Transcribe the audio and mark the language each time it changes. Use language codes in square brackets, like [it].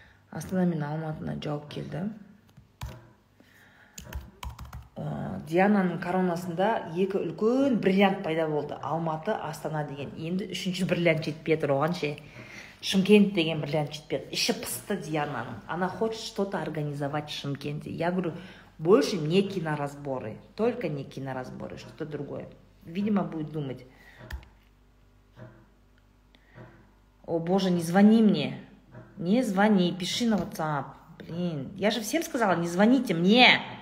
[kk] Астана мен Алматына жауап келді. Диананың коронасында екі үлкен бриллиант пайда болды. Алматы, Астана деген. Енді үшінші бриллиант жетпеді оған ше. Шымкент деген бриллиант жетпеді. Іші пысты Диананың. [ru] Она хочет что-то организовать в Шымкенте. Я говорю, больше не киноразборы. Только не киноразборы, что-то другое. Видимо, будет думать. О, боже, не звони мне. Не звони, пиши на WhatsApp. Блин, я же всем сказала, не звоните мне.